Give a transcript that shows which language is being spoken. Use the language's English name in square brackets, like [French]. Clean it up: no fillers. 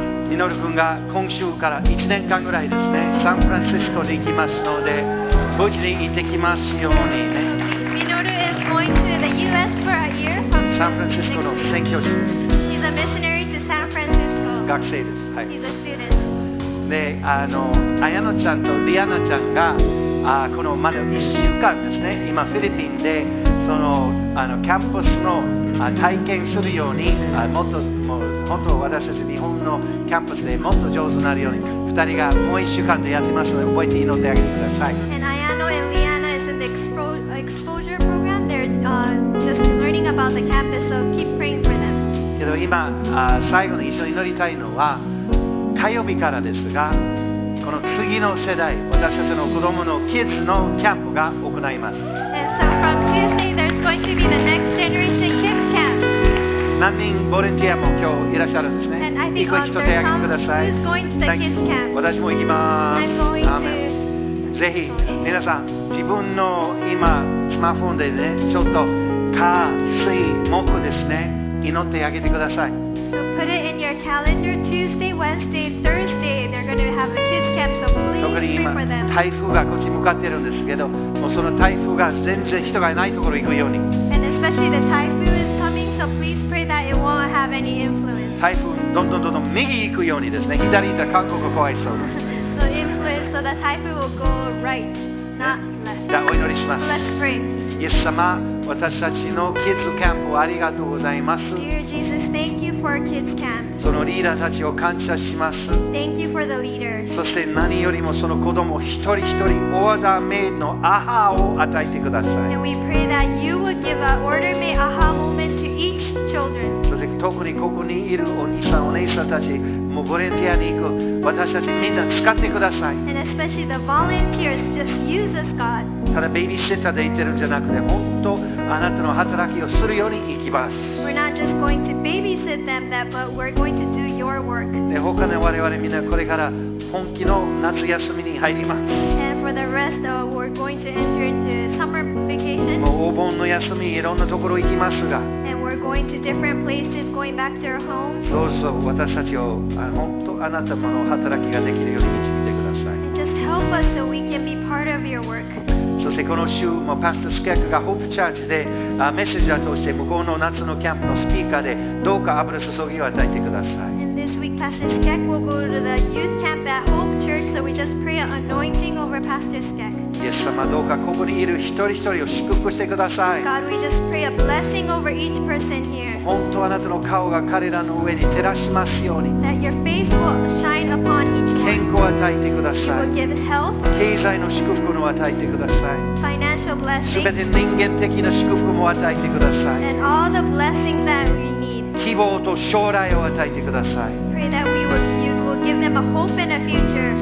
[Japanese] みのる君が今週から1年間ぐらいですね、サンフランシスコに行きますので、無事に行ってきますようにね。みのる [English] is going to the US for a year. [Japanese] サンフランシスコの宣教師。 [English] He's a missionary to San Francisco. [Japanese] 学生です。はい。 [English] He's a student. [Japanese] で、アヤノちゃんとディアナちゃんが、このまだ1週間ですね、今フィリピンで、その、キャンパスの体験するように、もっともう本当私たち日本のキャンパスでもっと上手になるように2人がもう1週間でやってますので覚えて祈ってあげてください。 [English] And Ayano and Liana is in the exposure program. They're just learning about the campus, so keep praying for them. [Japanese] けど今、最後に一緒に祈りたいのは火曜日からですが、この次の世代、私たちの子供のキッズのキャンプが行います。 [English] And so from Tuesday there's going to be the next generation kids camp. [Japanese] 何人ボランティアも今日いらっしゃるんですね。 [English] And I think all some who's going to the kids camp. [Japanese] 私も行きます。 [English] I'm going to. [Japanese] ぜひ皆さん自分の今スマホでね、ちょっと火水木ですね、祈ってあげてください。 [English] Put it in your calendar. Tuesday, Wednesday, Thursday, they're going to have a kids camp. So please pray for them. [Japanese] 台風がこっち向かってるんですけど、もうその台風が全然人がいないところに行くように。 [English] And especially the typhoon is coming, so please pray that it won't have any influence. [Japanese] 台風どんどんどんどん右に行くようにですね。左行ったら韓国怖いそうです。 [English] So influence, so the typhoon will go right, not left. [Japanese] じゃあお祈りします。 [English] Let's pray. [Japanese] イエス様、私たちのキッズキャンプをありがとうございます。 [English] Dear Jesus, thank you for kids camp. [Japanese] そのリーダーたちを感謝します。 [English] Thank you for the leaders. [Japanese] そして何よりもその子供一人一人オーダーメイドのアハを与えてください。 [English] And we pray that you would give an order made aha moment to each children. [Japanese] そして特にここにいるお兄さんお姉さんたち、もうボランティアに行く私たちみんな使ってください。 [English] And especially the volunteers, just use us, God. [Japanese] ただベイビーシッターで行ってるんじゃなくて、もっとあなたの働きをするように行きます。 [English] We're not just going to babysit them that, but we're going to do your work. [Japanese] で他の我々みんなこれから本気の夏休みに入ります。 [English] And for the rest of, we're going to enter into summer vacation. [Japanese] もうお盆の休みいろんなところ行きますが、 [English] And we're going to different places, going back to our homes. [Japanese] どうぞ私たちを本当あなたの働きができるように導いてください。 [English] And just help us so we can be part of your work. [Japanese] そしてこの週もパスタスケークがホープチャージでメッセージを通して向こうの夏のキャンプのスピーカーでどうか油注ぎを与えてください。 [English] And this week Pastor Skek will go to the youth camp at Hope Church, so we just pray an anointing over Pastor Skek. [Japanese] イエス様、どうかここにいる一人一人を祝福してください。 [English] God, we just pray a blessing over each person here. [Japanese] 本当あなたの顔が彼らの上に照らしますように。 [English] That your face will shine upon each person. [Japanese] 健康を与えてください。 [English] You will give health. [Japanese] 経済の祝福を与えてください。 [English] Financial blessings. [Japanese] 全て人間的な祝福も与えてください。 [English] And all the blessings that we need. [Japanese] 希望と将来を与えてください。 [English] Pray that we will give them a hope and a future.